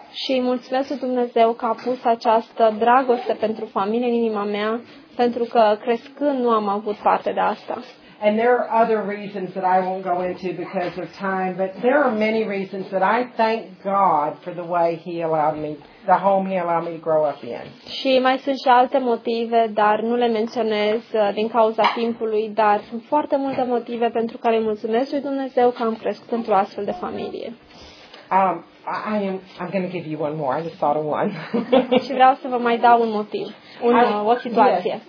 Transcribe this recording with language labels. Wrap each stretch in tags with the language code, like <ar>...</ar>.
<ro>Și mulțumesc Dumnezeu că a pus această dragoste pentru familie în inima mea, pentru că crescând nu am avut parte de asta.</ro> <en>And there are other reasons that I won't go into because of time, but there are many reasons that I thank God for the way he allowed me, the home he allowed me to grow up in.</en> <ro>Și mai sunt și alte motive, dar nu le menționez din cauza timpului, dar sunt foarte multe motive pentru care mulțumesc lui Dumnezeu că am crescut într-o astfel de familie.</ro> <en>I'm going to give you one more. I just thought of one.</en> <ro>Și vreau să vă mai dau un motiv, o situație.</ro>